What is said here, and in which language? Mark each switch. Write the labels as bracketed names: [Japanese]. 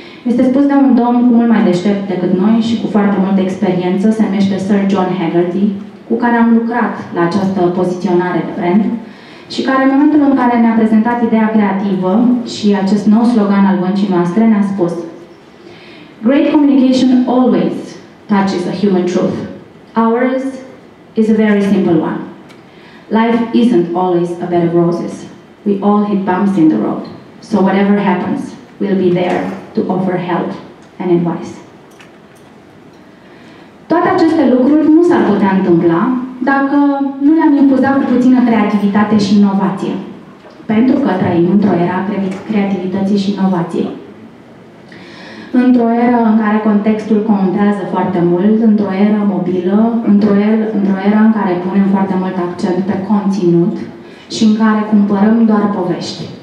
[Romanian] Este spus de un domn mult mai deștept decât noi și cu foarte multă experiență, se numește Sir John Haggerty, cu care am lucrat la această poziționare de brand și care în momentul în care ne-a prezentat ideea creativă și acest nou slogan al băncii noastre ne-a spus: [English] "Great communication always touches a human truth. Ours is a very simple one. Life isn't always a bed of roses. We all hit bumps in the road. So whatever happens, we'll be there to offer help and advice." [Romanian] Toate aceste lucruri nu s-ar putea întâmpla dacă nu le-am infuzat cu puțină creativitate și inovație. Pentru că trăim într-o era creativității și inovației. Într-o era în care contextul contează foarte mult, într-o era mobilă, într-o era în care punem foarte mult accent pe conținut și în care cumpărăm doar povești.